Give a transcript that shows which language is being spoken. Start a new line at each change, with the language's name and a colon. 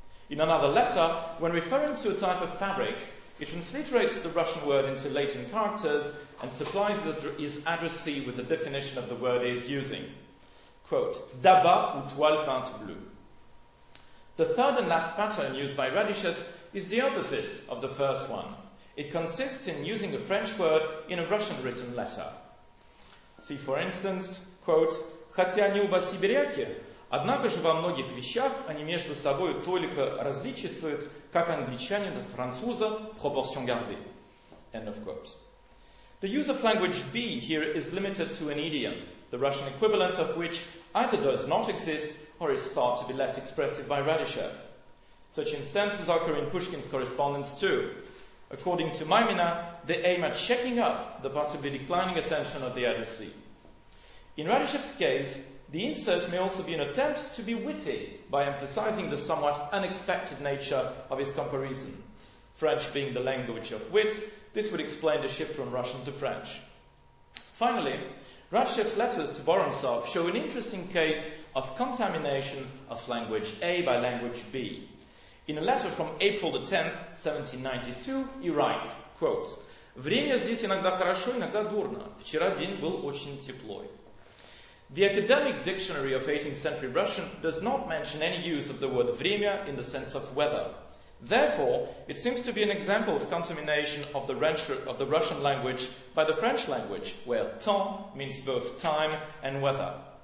English: In another letter, when referring to a type of fabric, he transliterates the Russian word into latent characters and supplies his addressee with the definition of the word he is using. Quote,
French: «Daba ou toile peinte bleu».
English: The third and last pattern used by Radishev is the opposite of the first one. It consists in using a French word in a Russian written letter. See, for instance, quote,
Russian: «Хотя они оба сибиряки, однако же во многих вещах они между собой только различествуют, как англичанин от француза, пропорцион гарды».
English: End of quote. The use of language B here is limited to an idiom, the Russian equivalent of which either does not exist or is thought to be less expressive by Radishev. Such instances occur in Pushkin's correspondence too. According to Maimina, they aim at shaking up the possibly declining attention of the addressee. In Radishev's case, the insert may also be an attempt to be witty by emphasizing the somewhat unexpected nature of his comparison. French being the language of wit, this would explain the shift from Russian to French. Finally, Radishev's letters to Vorontsov show an interesting case of contamination of language A by language B. In a letter from April the 10th, 1792, he writes, quote,
Russian: «Время здесь иногда хорошо, иногда дурно. Вчера день был очень теплой».
English: The academic dictionary of 18th century Russian does not mention any use of the word vremya in the sense of weather. Therefore, it seems to be an example of contamination of the Russian language by the French language, where temps means both time and weather.